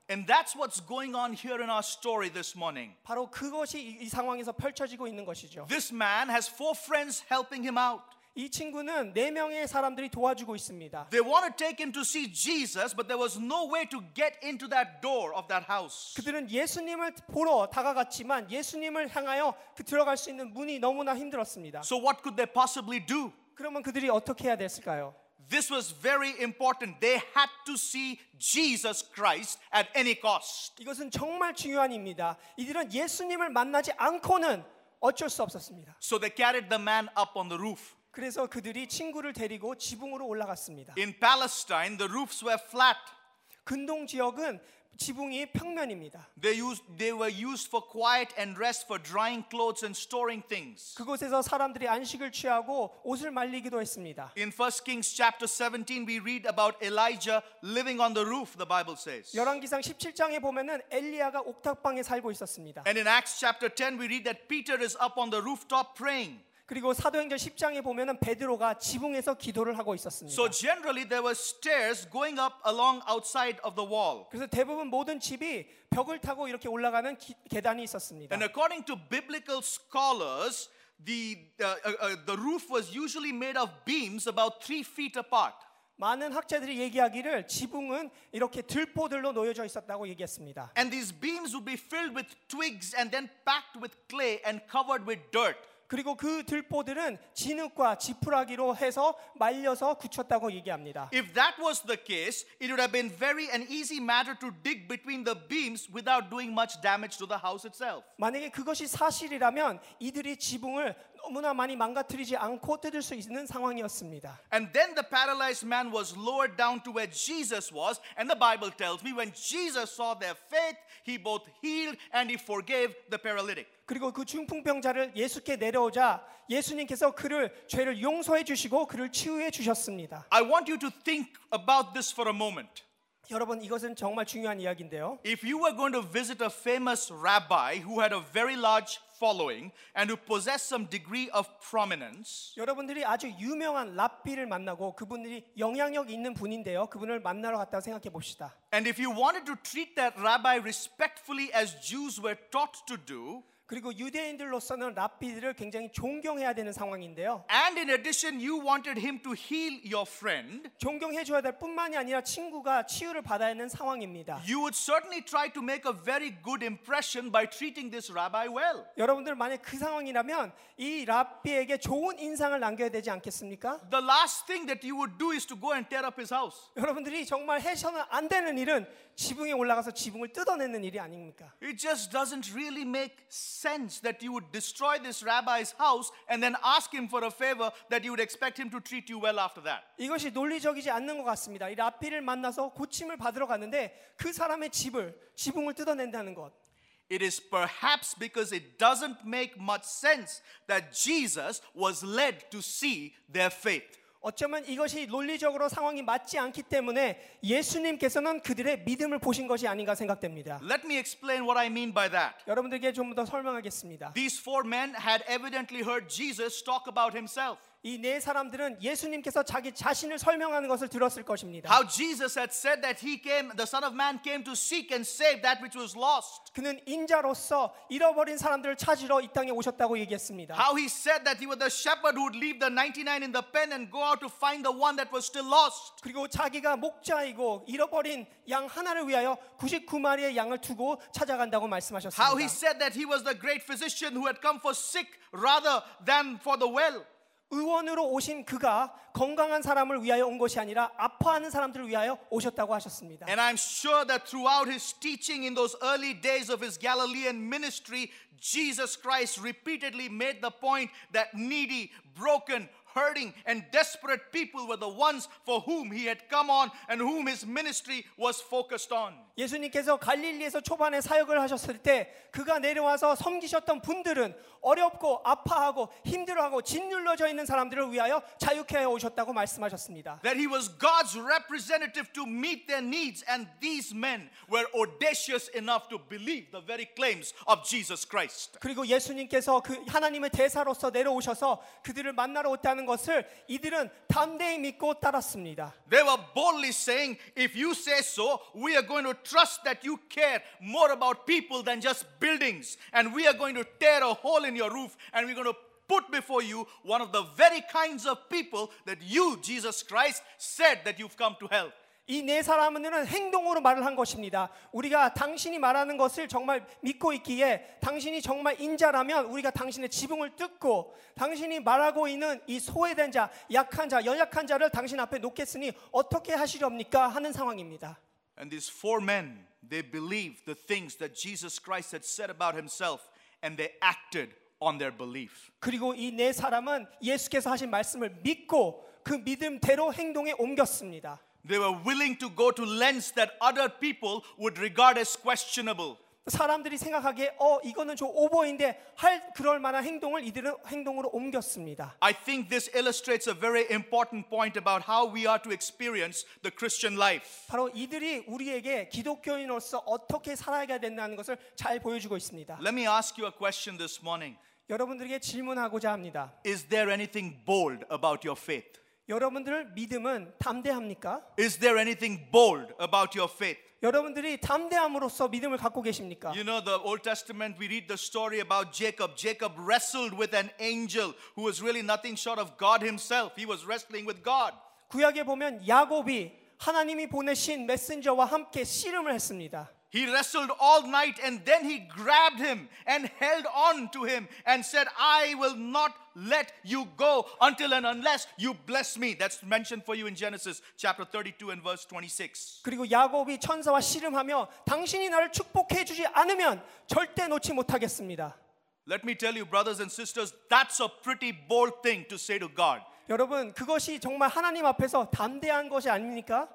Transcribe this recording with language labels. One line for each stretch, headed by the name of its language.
English: And that's what's going on here in our story this morning.
Korean: 바로 그것이 이 상황에서 펼쳐지고 있는 것이죠.
English: This man has four friends helping him out.
Korean: 이 친구는 네 명의 사람들이 도와주고 있습니다.
English: They want to take him to see Jesus, but there was no way to get into that door of that house.
Korean: 그들은 예수님을 보러 다가갔지만 예수님을 향하여 그 들어갈 수 있는 문이 너무나 힘들었습니다.
English: So what could they possibly do?
Korean: 그러면 그들이 어떻게 해야 됐을까요?
English: This was very important. They had to see Jesus Christ at any cost.
Korean: 이것은 정말 중요한입니다. 이들은 예수님을 만나지 않고는 어쩔 수 없었습니다.
English: So they carried the man up on the roof.
Korean: 그래서 그들이 친구를 데리고 지붕으로 올라갔습니다.
English: In Palestine, the roofs were flat.
Korean: 근동 지역은 지붕이 평면입니다.
English: They were used for quiet and rest for drying clothes and storing things.
Korean: 그곳에서 사람들이 안식을 취하고 옷을 말리기도 했습니다.
English: In 1 Kings chapter 17 we read about Elijah living on the roof, the Bible says.
Korean: 열왕기상 17장에 보면은 엘리야가 옥탑방에 살고 있었습니다.
English: And in Acts chapter 10 we read that Peter is up on the rooftop praying.
Korean: 그리고 사도행전 10장에 보면은 베드로가 지붕에서 기도를 하고 있었습니다.
English: So generally there were stairs going up along outside of the wall.
Korean: 그래서 대부분 모든 집이 벽을 타고 이렇게 올라가는 계단이 있었습니다.
English: And according to biblical scholars, the roof was usually made of beams about 3 feet apart.
Korean: 많은 학자들이 얘기하기를 지붕은 이렇게 들포들로 놓여져 있었다고 얘기했습니다.
English: And these beams would be filled with twigs and then packed with clay and covered with dirt.
Korean: 그리고 그 들포들은 진흙과 지푸라기로 해서 말려서 굳혔다고 얘기합니다.
English: If that was the case, it would have been very an easy matter to dig between the beams without doing much damage to the house itself.
Korean: 만약에 그것이 사실이라면 이들이 지붕을 너무나 많이 망가뜨리지 않고 뜯을 수 있는 상황이었습니다.
English: And then the paralyzed man was lowered down to where Jesus was, and the Bible tells me when Jesus saw their faith, he both healed and he forgave the paralytic.
Korean: 그리고 그 중풍병자를 예수께 내려오자 예수님께서 그를 죄를 용서해 주시고 그를 치유해 주셨습니다.
English: I want you to think about this for a moment.
Korean: 여러분 이것은 정말 중요한 이야기인데요.
English: If you were going to visit a famous rabbi who had a very large following and who possessed some degree of prominence.
Korean: 여러분들이 아주 유명한 랍비를 만나고 그분들이 영향력 있는 분인데요. 그분을 만나러 갔다고 생각해 봅시다.
English: And if you wanted to treat that rabbi respectfully as Jews were taught to do.
Korean: 그리고 유대인들로서는 랍비들을 굉장히 존경해야 되는 상황인데요.
English: And in addition, you wanted him to heal your friend.
Korean: 존경해줘야 될 뿐만이 아니라 친구가 치유를 받아야 하는 상황입니다.
English: You would certainly try to make a very good impression by treating this rabbi well.
Korean: 여러분들 만약 그 상황이라면 이 랍비에게 좋은 인상을 남겨야 되지 않겠습니까?
English: The last thing that you would do is to go and tear up his house.
Korean: 여러분들이 정말 해서는 안 되는 일은 지붕에 올라가서 지붕을 뜯어내는 일이 아닙니까?
English: It just doesn't really make sense that you would destroy this rabbi's house and then ask him for a favor that you would expect him to treat you well after that.
Korean: 이것이 논리적이지 않는 것 같습니다. 이 랍비를 만나서 고침을 받으러 갔는데 그 사람의 지붕을 뜯어낸다는 것.
English: It is perhaps because it doesn't make much sense that Jesus was led to see their faith.
Korean: 어쩌면 이것이 논리적으로 상황이 맞지 않기 때문에 예수님께서는 그들의 믿음을 보신 것이 아닌가 생각됩니다.
English: Let me explain what I mean by that.
Korean: 여러분들께 좀 더 설명하겠습니다.
English: These four men had evidently heard Jesus talk about himself.
Korean: 이 네 사람들은 예수님께서 자기 자신을 설명하는 것을 들었을 것입니다.
English: How Jesus had said that he came, the Son of Man came to seek and save that which was lost.
Korean: 그는 인자로서 잃어버린 사람들을 찾으러 이 땅에 오셨다고 얘기했습니다.
English: How he said that he was the shepherd who would leave the 99 in the pen and go out to find the one that was still lost.
Korean: 그리고 자기가 목자이고 잃어버린 양 하나를 위하여 99마리의 양을 두고 찾아간다고 말씀하셨습니다.
English: How he said that he was the great physician who had come for sick rather than for the well.
Korean: 의원으로 오신 그가 건강한 사람을 위하여 온 것이 아니라 아파하는 사람들을 위하여 오셨다고 하셨습니다.
English: And I'm sure that throughout his teaching in those early days of his Galilean ministry, Jesus Christ repeatedly made the point that needy, broken, hurting, and desperate people were the ones for whom he had come on and whom his ministry was focused on.
Korean: 예수님께서 갈릴리에서 초반에 사역을 하셨을 때 그가 내려와서 섬기셨던 분들은 어렵고 아파하고 힘들어하고 짓눌러져 있는 사람들을 위하여 자유케 하여 오셨다고 말씀하셨습니다.
English: That he was God's representative to meet their needs and these men were audacious enough to believe the very claims of Jesus Christ.
Korean: 그리고 예수님께서 그 하나님의 대사로서 내려오셔서 그들을 만나러 왔다는 것을 이들은 담대히 믿고 따랐습니다.
English: They were boldly saying, if you say so, we are going to trust that you care more about people than just buildings and we are going to tear a hole in your roof and we're going to put before you one of the very kinds of people that you Jesus Christ said that you've come to help.
Korean: 이 네 사람은 행동으로 말을 한 것입니다. 우리가 당신이 말하는 것을 정말 믿고 있기에 당신이 정말 인자라면 우리가 당신의 지붕을 뜯고 당신이 말하고 있는 이 소외된 자, 약한 자, 연약한 자를 당신 앞에 놓겠으니 어떻게 하시렵니까 하는 상황입니다.
English: And these four men, they believed the things that Jesus Christ had said about himself and they acted on their belief.
Korean: 그리고 이 네 사람은 예수께서 하신 말씀을 믿고 그 믿음대로 행동에 옮겼습니다.
English: They were willing to go to lengths that other people would regard as questionable.
Korean: 사람들이 생각하기에 이거는 좀 오버인데 할 그럴 만한 행동을 이들은 행동으로 옮겼습니다.
English: I think this illustrates a very important point about how we are to experience the Christian life.
Korean: 바로 이들이 우리에게 기독교인으로서 어떻게 살아야 된다는 것을 잘 보여주고 있습니다.
English: Let me ask you a question this morning.
Korean: 여러분들에게 질문하고자 합니다.
English: Is there anything bold about your faith?
Korean: 여러분들 믿음은 담대합니까?
English: Is there anything bold about your faith?
Korean: 여러분들이 담대함으로써 믿음을 갖고 계십니까?
English: You know the Old Testament, we read the story about Jacob. Jacob wrestled with an angel who was really nothing short of God himself. He was wrestling with God.
Korean: 구약에 보면 야곱이 하나님이 보내신 메신저와 함께 씨름을 했습니다.
English: He wrestled all night and then he grabbed him and held on to him and said, I will not let you go until and unless you bless me. That's mentioned for you in Genesis chapter 32 and verse 26.
Korean: 그리고 야곱이 천사와 씨름하며 당신이 나를 축복해 주지 않으면 절대 놓지 못하겠습니다.
English: Let me tell you, brothers and sisters, that's a pretty bold thing to say to God.
Korean: 여러분, 그것이 정말 하나님 앞에서 담대한 것이 아닙니까?